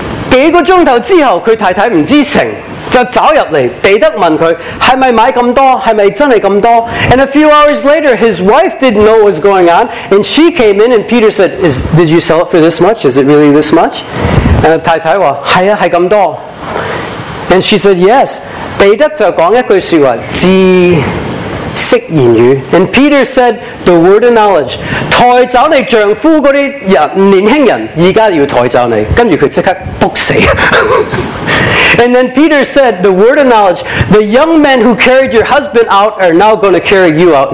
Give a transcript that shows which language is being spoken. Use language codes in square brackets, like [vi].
[yue] 几个钟头之后，佢太太唔知情就走入嚟，彼得问佢系咪买咁多，系咪真系咁多 [en] ？And a few hours later, his wife didn't know what was going on, and she came in and Peter said, "Did you sell it for this much? Is it really this much?" And [yue] 太太话系啊，系咁多。 [en] And she said, "Yes." [yue] 彼得就讲一句说话，知。识言语 [en] ，and Peter said the word of knowledge. [yue] 抬走你丈夫嗰啲人，年轻人，而家要抬走你，跟住佢即刻仆死。 [en] And then Peter said the word of knowledge. The young men who carried your husband out are now going to carry you out.